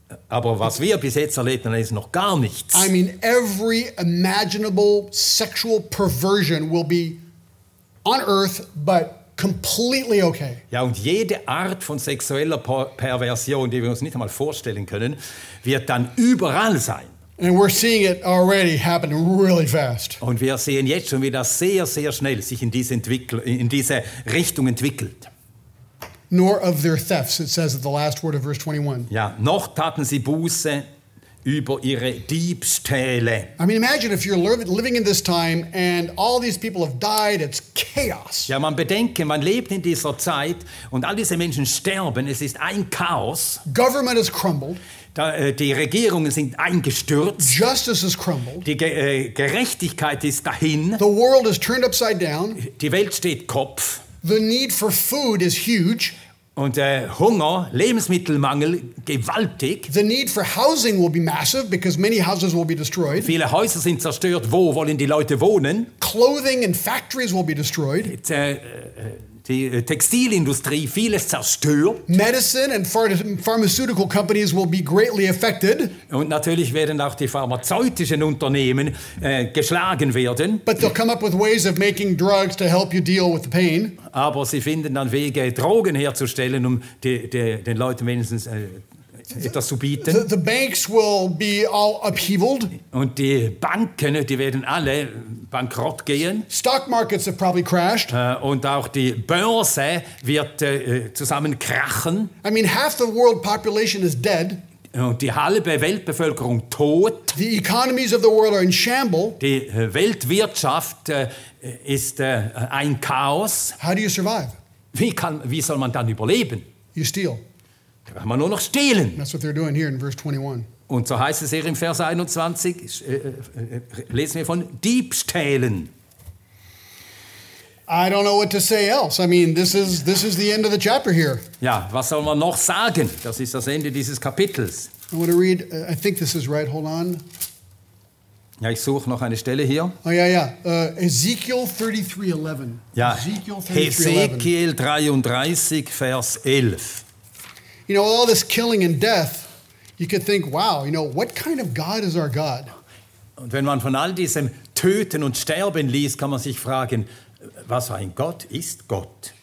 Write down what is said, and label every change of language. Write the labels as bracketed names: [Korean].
[German] Aber was wir bis jetzt erlebt haben, ist noch gar nichts. [English] I mean, every imaginable sexual perversion will be on earth, but completely okay. [German] Ja, und jede Art von sexueller Perversion, die wir uns nicht einmal vorstellen können, wird dann überall sein. [English] And we're seeing it already happen really fast. [German] Und wir sehen jetzt schon, wie das sehr, sehr schnell sich in diese Richtung entwickelt. [English] Nor of their thefts, it says at the last word of verse 21. [German] Ja, noch taten sie Buße über ihre Diebstähle. [English] I mean, imagine if you're living in this time and all these people have died, it's chaos. [German] Ja, man bedenke, man lebt in dieser Zeit und all diese Menschen sterben, es ist ein Chaos. [English] Government has crumbled. [German] Die Regierungen sind eingestürzt. [English] Justice is crumbled. [German] Die Gerechtigkeit ist dahin. [English] The world is turned upside down. [German] Die Welt steht Kopf. [English] The need for food is huge. [German] Und Hunger, Lebensmittelmangel, gewaltig. [English] The need for housing will be massive because many houses will be destroyed. [German] Viele Häuser sind zerstört. Wo wollen die Leute wohnen? [English] Clothing and factories will be destroyed. [German] Die Textilindustrie, vieles zerstört. [English] Medicine and pharmaceutical companies will be greatly affected. [German] Und natürlich werden auch die pharmazeutischen Unternehmen geschlagen werden. [English] But they'll come up with ways of making drugs to help you deal with the pain. [German] Aber sie finden dann Wege, Drogen herzustellen, um den Leuten wenigstens etwas zu bieten. [English] The banks will be all upheavaled. [German] Und die Banken, die werden alle bankrott gehen. [English] Stock markets have probably crashed. [German] Und auch die Börse wird zusammenkrachen. [English] I mean, half the world population is dead. [German] Und die halbe Weltbevölkerung tot. [English] The economies of the world are in shambles. [German] Die Weltwirtschaft ist ein Chaos. [English] How do you survive? [German] Wie soll man dann überleben? [English] You steal. [German] Man nur noch stehlen. [English] That's what they're doing here in verse 21. [German] Und so heißt es hier im Vers 21, lesen wir von Diebstählen. [English] I don't know what to say else. I mean, this is the end of the chapter here. [German] Ja, was soll man noch sagen? Das ist das Ende dieses Kapitels. [English] I want to read, I think this is right, hold on. [German] Ja, ich suche noch eine Stelle hier. Oh ja, ja, Ezekiel 33:11. Ja, Ezekiel 33, Vers 11. [English] You know, all this killing and death, you could think, wow, you know, what kind of God is our God? [German] Und wenn man von all diesem Töten und Sterben liest, kann man sich fragen, was für ein Gott ist Gott?